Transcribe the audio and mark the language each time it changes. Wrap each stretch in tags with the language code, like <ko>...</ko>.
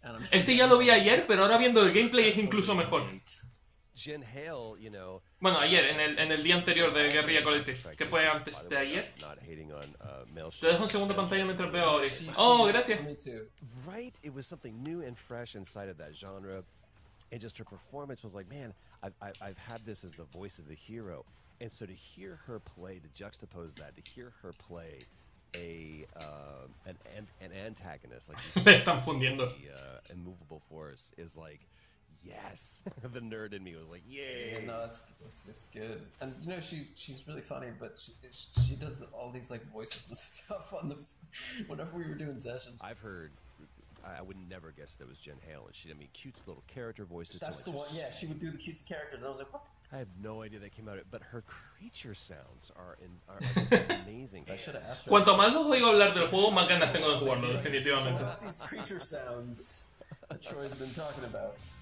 <es>Este ya lo vi ayer, pero ahora viendo el gameplay es incluso mejor.</es> <en>Jen Hale, you know.</en> <es>Bueno, ayer, en el día anterior de Guerrilla Collective, que fue antes de ayer. Te dejo un segundo pantalla mientras veo hoy. Oh, gracias.</es> <en>Right, it was something new and fresh inside of that genre. And just her performance was like, man, I've had this as the voice of the hero. And so to hear her play, to juxtapose that, to hear her play an antagonist, like</en> <es>me están fundiendo.</es> <en>The immovable force is like, yes, the nerd in me was like, yay! Yeah, no, it's good. And you know, she's really funny, but she does all these like voices and stuff on the whenever we were doing sessions. I've heard, I would never guess that was Jen Hale. And she, I mean, cute little character voices. That's like the one. Yeah, she would do the cute characters. And I was like, what? I have no idea that came out of it, but her creature sounds are amazing. I should have asked her.</en> <es>Cuanto más los oigo hablar del juego, más ganas tengo de jugarlo, definitivamente.</es> <en>What about these creature sounds that Troy's been talking about?</en>